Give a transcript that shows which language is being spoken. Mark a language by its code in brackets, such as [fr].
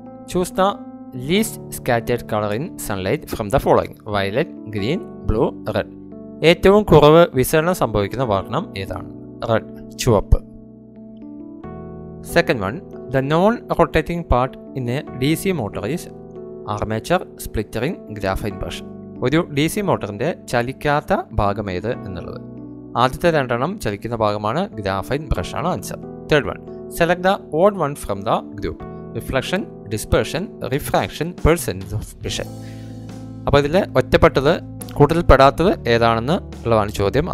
[en] Choose the least scattered color in sunlight from the following. Violet, green, blue, red. [ml] ഏറ്റവും കുറവ് വിസരണം സംഭവിക്കുന്ന വർണ്ണം ഏതാണ്? [en] Red, ചുവപ്പ്. Second one. The non-rotating part in a DC motor is armature, splittering, graphite brush. [ml] ഒരു DC മോട്ടറിൻ്റെ ചലിക്കാത്ത ഭാഗം ഏത് എന്നുള്ളത്. ആദ്യത്തെ രണ്ടെണ്ണം ചലിക്കുന്ന ഭാഗമാണ്, ഗ്രാഫൈൻ ബ്രഷ് ആണ് answer. [en] Third one. Select the odd one from the group. Reflection, dispersion, refraction, persistence of vision. [ml] അപ്പോൾ ഇതിൽ ഒറ്റപ്പെട്ടത്, കൂടുതൽ പെടാത്തത് ഏതാണെന്ന് ഉള്ളതാണ് ചോദ്യം.